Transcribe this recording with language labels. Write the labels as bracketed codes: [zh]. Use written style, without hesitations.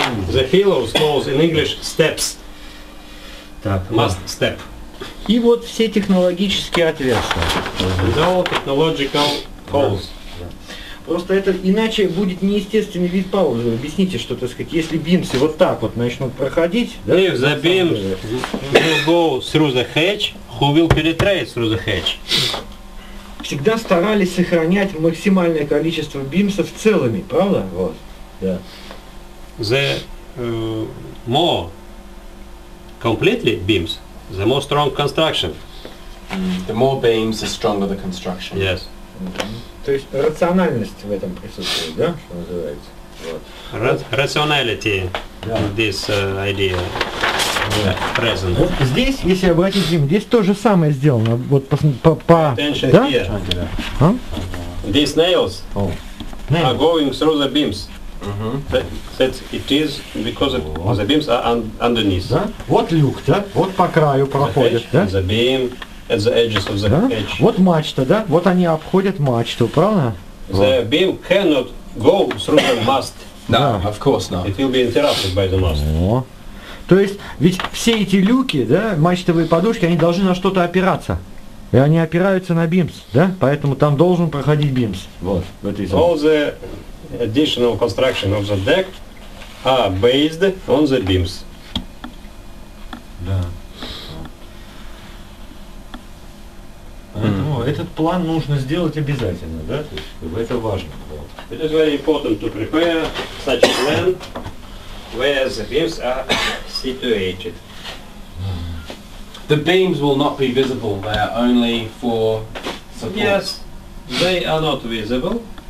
[en] The pillows calls in English steps. [ru] Так, [en] mast step. [ru] И вот все технологические отверстия. [en] The all technological holes. [ru] Да. Просто это иначе будет неестественный вид паузы. Объясните, что, так сказать, если бимсы вот так вот начнут проходить, да? [en] If the beams will go through the hatch, who will penetrate through the hatch? [ru] Всегда старались сохранять максимальное количество бимсов целыми, правда? Вот. Да. [en] The more completely beams, the more strong construction. The more beams, the stronger the construction. Yes. [ru] То есть рациональность в этом присутствует, да, что называется? Вот. [en] Rationality yeah. This idea yeah. Present. [ru] Вот здесь, если обратить внимание, здесь то же самое сделано. Вот по [en] attention [ru] да? [en] Here. Huh? These nails, oh. Nails are going through the beams. Mm-hmm. That it is because of the beams are underneath. [ru] Да? Вот люк, да? Вот по краю [en] the [ru] проходит, [en] hatch, [ru] да? [en] The beam. At the edges of the [ru] да? [en] Edge. [ru] Вот мачта, да? Вот они обходят мачту, правда? [en] The [ru] вот. [en] Beam cannot go through the mast. No, of course not. It will be interrupted by the mast. О. [ru] То есть, ведь все эти люки, да, мачтовые подушки, они должны на что-то опираться. И они опираются на бимс, да? Поэтому там должен проходить бимс. Вот. [en] All the additional construction of the deck are based on the beams. [ru] Да. Mm-hmm. Ну, этот план нужно сделать обязательно, да? То есть, это важно. [en] It is very important to prepare such a plan where the beams are situated. The beams will not be visible. They are only for support. Yes, they are not visible.